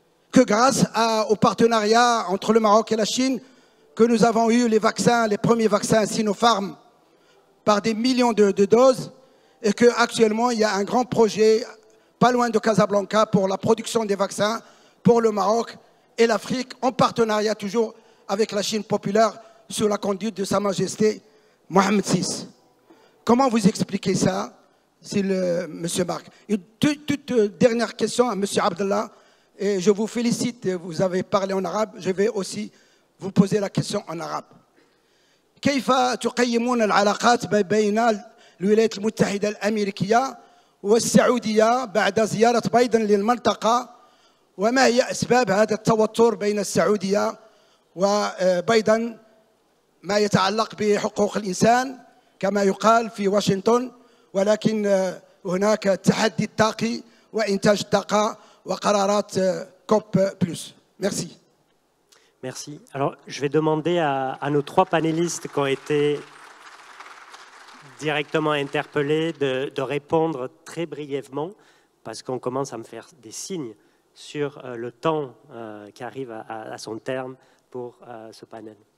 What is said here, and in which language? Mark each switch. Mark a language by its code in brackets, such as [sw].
[fr] que grâce au partenariat entre le Maroc et la Chine, que nous avons eu les vaccins, les premiers vaccins Sinopharm par des millions de doses, et qu'actuellement il y a un grand projet, pas loin de Casablanca, pour la production des vaccins pour le Maroc et l'Afrique, en partenariat toujours avec la Chine populaire, sous la conduite de Sa Majesté Mohammed VI. Comment vous expliquez ça, Monsieur Marc? Une toute dernière question à Monsieur Abdallah, et je vous félicite, vous avez parlé en arabe, je vais aussi vous posez la question en arabe. [ar] كيف تقيمون العلاقات بين الولايات المتحدة الأمريكية والسعودية بعد زيارة بايدن للمنطقة وما هي أسباب هذا التوتر بين السعودية وبايدن ما يتعلق بحقوق الإنسان كما يقال في واشنطن ولكن هناك تحدي الطاقي وإنتاج الطاقة وقرارات كوب بلس. [fr] Merci. Merci. Alors, je vais demander à nos trois panélistes qui ont été directement interpellés de répondre très brièvement, parce qu'on commence à me faire des signes sur le temps qui arrive à son terme pour ce panel.